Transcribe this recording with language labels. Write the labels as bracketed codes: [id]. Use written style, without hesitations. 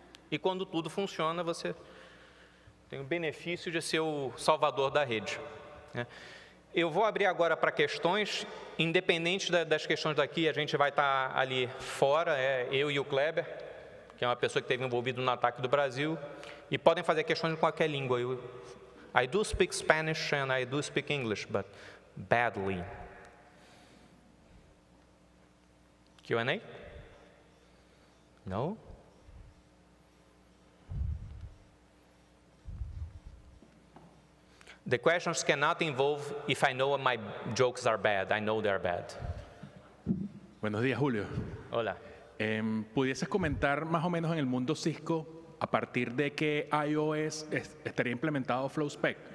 [pt] E quando tudo funciona, você tem o benefício de ser o salvador da rede, né? Eu vou abrir agora para questões, independente das questões daqui, a gente vai estar ali fora, eu e o Kleber, que é uma pessoa que esteve envolvido no ataque do Brasil, e podem fazer questões em qualquer língua. [en] I do speak Spanish and I do speak English, but badly. Q&A? No? The questions cannot involve if I know my jokes are bad. I know they are bad. [es] Buenos días, Julio. Hola. ¿Pudieses comentar más o menos en el mundo Cisco a partir de qué iOS estaría implementado FlowSpec?